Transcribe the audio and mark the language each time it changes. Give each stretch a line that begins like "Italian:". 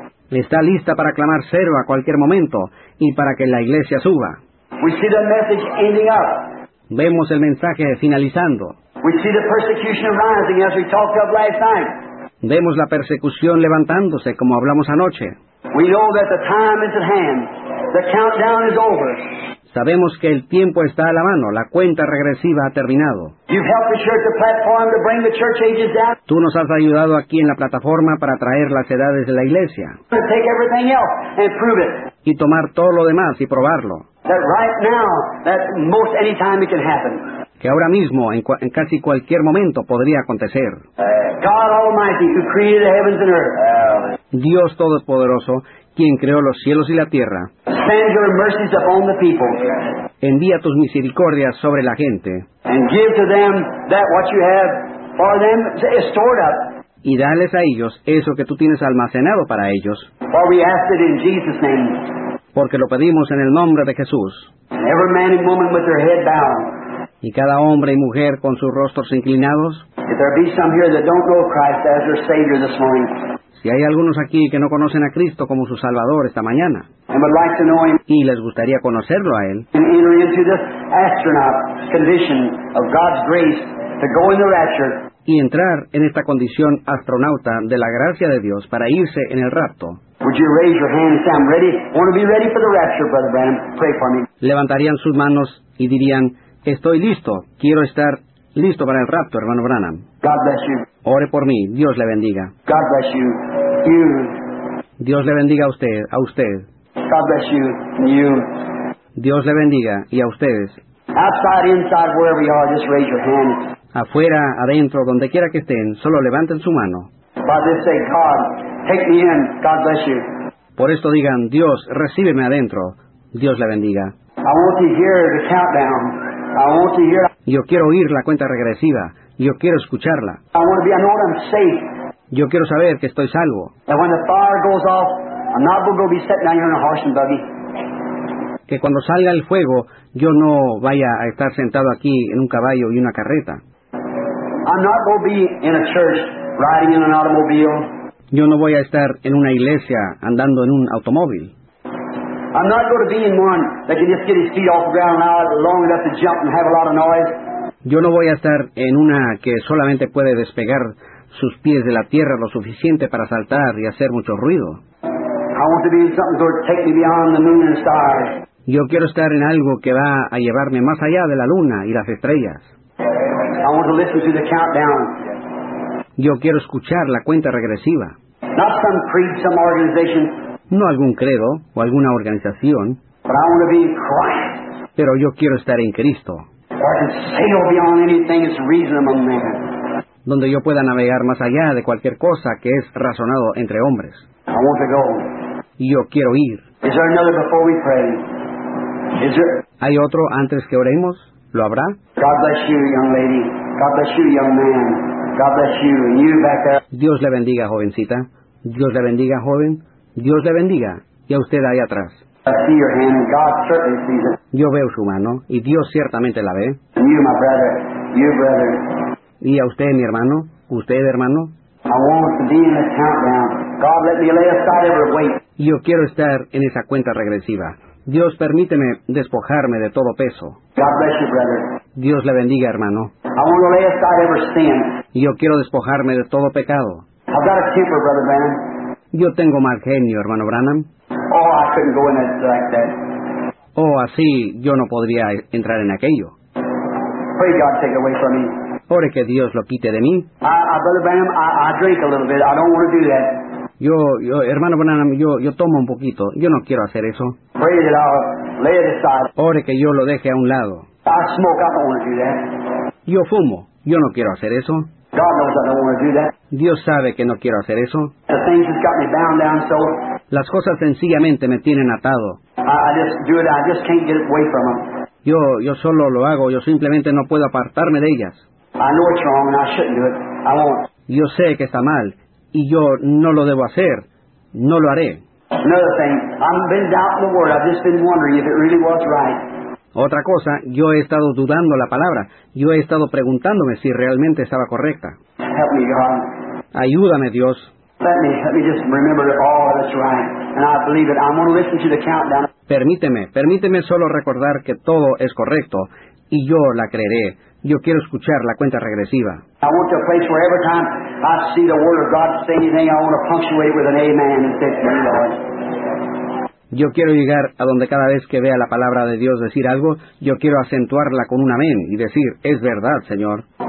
Spanish: Está lista para clamar cero a cualquier momento y para que la iglesia suba.
English: We see the message ending up.
Spanish: Vemos el mensaje finalizando.
English: We see the persecution rising, as we talked of last night. Vemos la persecución levantándose, como hablamos anoche. We know that the time is at hand. The countdown is over.
Spanish: Sabemos que el tiempo está a la mano, la cuenta regresiva ha terminado.
English: You've helped the church, the platform, to bring the church ages down.
Spanish: Tú nos has ayudado aquí en la plataforma para traer las edades de la iglesia.
English: Take everything else and prove it.
Spanish: Y tomar todo lo demás y probarlo.
English: That right now, that most any time it can happen.
Spanish: Que ahora mismo, en casi cualquier momento, podría acontecer.
English: God Almighty, who created the heavens and earth.
Spanish: Dios Todopoderoso, quien creó los cielos y la tierra.
English: Send your mercies upon the people.
Spanish: Envía tus misericordias sobre la gente.
English: And give to them that what you have for them is stored up.
Spanish: Y dales a ellos eso que tú tienes almacenado para ellos.
English: For we ask it in Jesus' name.
Spanish: Porque lo pedimos en el nombre de Jesús.
English: Every man and woman with their head bowed.
Spanish: Y cada hombre y mujer con sus rostros inclinados.
English: If there be some here that don't know Christ as their Savior this morning.
Spanish: Si hay algunos aquí que no conocen a Cristo como su Salvador esta mañana.
English: And would like to know him.
Spanish: Y les gustaría conocerlo a Él.
English: And enter into this astronaut condition of God's grace to go in the rapture.
Spanish: Y entrar en esta condición astronauta de la gracia de Dios para irse en el rapto.
English: Would you raise your hand and say, I'm ready? I want to be ready for the rapture, Brother Branham. Pray for me.
Spanish: Levantarían sus manos y dirían, estoy listo. Quiero estar listo para el rapto, hermano Branham.
English: God bless you.
Spanish: Ore por mí. Dios le bendiga.
English: God bless you. You.
Spanish: Dios le bendiga a usted. A usted.
English: God bless you. You.
Spanish: Dios le bendiga. Y a ustedes.
English: Outside, inside, wherever you are, just raise your hand.
Spanish: Afuera, adentro, donde quiera que estén, solo levanten su mano.
English: By this say, God, take me in. God bless you.
Spanish: Por esto digan, Dios, recíbeme adentro. Dios le bendiga.
English: I want to hear the countdown. I want to hear.
Spanish: Yo quiero oír la cuenta regresiva. Yo quiero escucharla.
English: I want to be, I know I'm safe.
Spanish: Yo quiero saber que estoy salvo.
English: That when the fire goes off, I'm not going to be sitting down here in a horse and buggy.
Spanish: Que cuando salga el fuego, yo no vaya a estar sentado aquí en un caballo y una carreta.
English: I'm not going to be in a church riding in an automobile.
Spanish: Yo no voy a estar en una iglesia andando en un automóvil.
English: I'm not going to be in one that can just get his feet off the ground now long enough to jump and have a lot of noise.
Spanish: Yo no voy a estar en una que solamente puede despegar sus pies de la tierra lo suficiente para saltar y hacer mucho ruido.
English: I want to be in something that will take me beyond the moon and stars.
Spanish: Yo quiero estar en algo que va a llevarme más allá de la luna y las estrellas.
English: I want to listen to the countdown.
Spanish: Yo quiero escuchar la cuenta regresiva.
English: Not some creed, some organization.
Spanish: No algún credo o alguna organización.
English: But I want to be in Christ.
Spanish: Pero yo quiero estar en Cristo.
English: Where I can sail beyond anything that's reasonable man.
Spanish: Donde yo pueda navegar más allá de cualquier cosa que es razonado entre hombres.
English: I want to go.
Spanish: Yo quiero ir.
English: Is there another before we pray? Is there?
Spanish: ¿Hay otro antes que oremos? ¿Lo habrá?
English: God bless you, young lady. God bless you, young man. God bless you. And you back there.
Spanish: Dios le bendiga, jovencita. Dios le bendiga, joven. Dios le bendiga. Y a usted ahí atrás.
English: I see your hand, and God certainly sees it.
Spanish: Yo veo su mano, y Dios ciertamente la ve.
English: And you, my brother. You, brother.
Spanish: Y a usted, mi hermano, usted, hermano.
English: I want to be in the countdown. God, let me lay aside every weight.
Spanish: Yo quiero estar en esa cuenta regresiva. Dios, permíteme despojarme de todo peso.
English: God bless you, brother.
Spanish: Dios le bendiga, hermano.
English: I want to lay aside every sin.
Spanish: Yo quiero despojarme de todo pecado.
English: I've got a temper, brother Branham.
Spanish: Yo tengo mal genio, hermano Branham.
English: Oh, I couldn't go in it like that.
Spanish: Oh, así yo no podría entrar en aquello.
English: Pray God take it away from me.
Spanish: Ore que Dios lo quite de mí.
English: Brother Branham, I drink a little bit. I don't want to do that.
Spanish: Yo, hermano Branham, yo tomo un poquito. Yo no quiero hacer eso.
English: Pray that I'll lay it aside.
Spanish: Ore que yo lo deje a un lado.
English: I smoke. I don't want to do that.
Spanish: Yo fumo. Yo no quiero hacer eso.
English: God knows I don't want to do that.
Spanish: Dios sabe que no quiero hacer eso.
English: The things that got me bound down so.
Spanish: Las cosas sencillamente me tienen atado.
English: I just do it. I just can't get away from them.
Spanish: Yo solo lo hago. Yo simplemente no puedo apartarme de ellas.
English: I know it's wrong and I shouldn't do it. I won't.
Spanish: Yo sé que está mal. Y yo no lo debo hacer. No lo haré.
English: Another thing. I've been doubting the word. I've just been wondering if it really was right.
Spanish: Otra cosa, yo he estado dudando la palabra. Yo he estado preguntándome si realmente estaba correcta.
English: Help me, God.
Spanish: Ayúdame, Dios.
English: Let me just remember all that's right. And I believe it. I'm going to listen to the countdown.
Spanish: Permíteme solo recordar que todo es correcto. Y yo la creeré. Yo quiero escuchar la cuenta regresiva.
English: I want a place where every time I see the word of God say anything, I want to punctuate with an amen and say, "Thank you, Lord."
Spanish: Yo quiero llegar a donde cada vez que vea la palabra de Dios decir algo, yo quiero acentuarla con un amén y decir, es verdad, Señor.